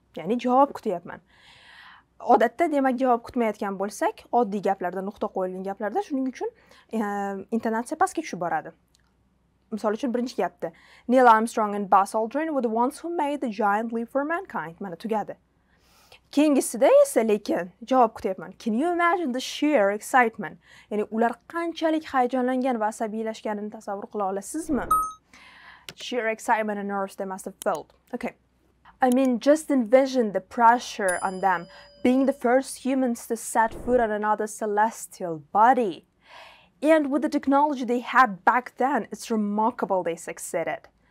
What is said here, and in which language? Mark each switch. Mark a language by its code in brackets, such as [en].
[uz] Ya'ni javob kutyapman. Odatda, demak, javob kutmayotgan bo'lsak, oddiy gaplarda, nuqta qo'yilgan gaplarda, shuning uchun intonatsiya pastga tushib boradi. Misol uchun birinchi gapda [en] Neil Armstrong and Buzz Aldrin were the ones who made the giant leap for mankind. [uz] Mana tugadi. Keyingisida esa lekin javob kutyapman. [en] Can you imagine the sheer excitement? [uz] Ya'ni ular qanchalik hayajonlangan va asabiylashganini tasavvur qila olasizmi? [en] sheer excitement and nerves they must have felt. Okay. I mean, just envision the pressure on them being the first humans to set foot on another celestial body. And with the technology they had back then, it's remarkable they succeeded.